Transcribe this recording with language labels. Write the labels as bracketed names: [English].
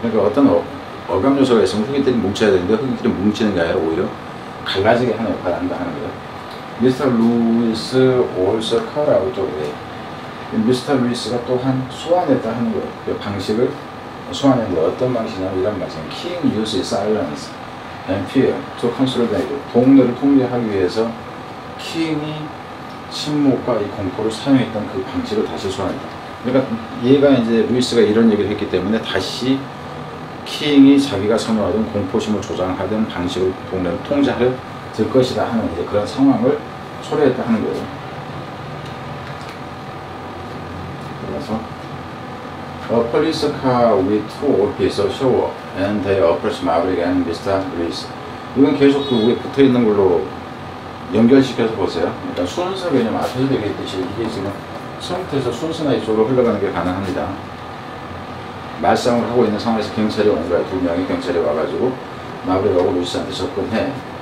[Korean] 그러니까 어떤 억압 요소가 있으면 흑인들이 뭉쳐야 되는데 흑인들이 뭉치는 게 아니라 오히려 갈라지게 하는 역할을 한다는 거죠. Mr. [English] Lewis also called out the way. [Korean] 미스터 루이스가 또한 소환했다 하는 거예요. 그 방식을 소환했는데 어떤 방식이냐 이런 말씀. [English] King used silence and fear to control the people. [Korean] 동료를 통제하기 위해서 킹이 침묵과 이 공포를 사용했던 그 방식을 다시 소환했다. 그러니까 얘가 이제 루이스가 이런 얘기를 했기 때문에 다시 킹이 자기가 선호하던 공포심을 조장하던 방식을 동료를 통제하려 들 것이다 하는 이제 그런 상황을 초래했다 하는 거예요. [English] 그래서 A police car with two officers show up and they approach Maverick and Mr. Lewis. [Korean] 이건 계속 그 위에 붙어있는 걸로 연결시켜서 보세요. 그러니까 순서 개념 앞에서 얘기했듯이 이게 지금 처음부터 순서나 이쪽으로 흘러가는 게 가능합니다. 말싸움을 하고 있는 상황에서 경찰이 온 거야. 두 명이 경찰이 와가지고 마브릭하고 루이스한테 접근해.